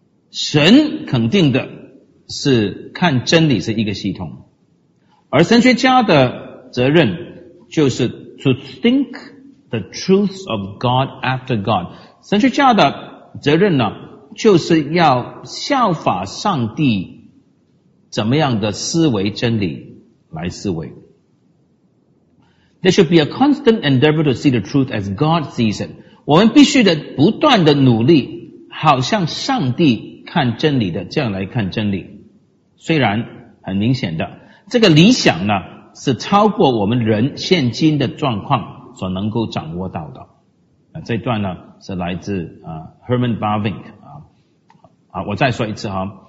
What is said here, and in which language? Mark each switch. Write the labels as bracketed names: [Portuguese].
[Chinese] 神肯定的是看真理是一个系统，而神学家的责任就是 [English] to think the truths of God after God。 [Chinese] 神学家的责任呢就是要效法上帝怎么样的思维真理来思维。 [English] There should be a constant endeavor to see the truth as God sees it。 [Chinese] 我们必须的不断的努力好像上帝看真理的这样来看真理。虽然很明显的这个理想呢是超过我们人现今的状况所能够掌握到的。这段呢是来自Herman Bavinck。我再说一次齁。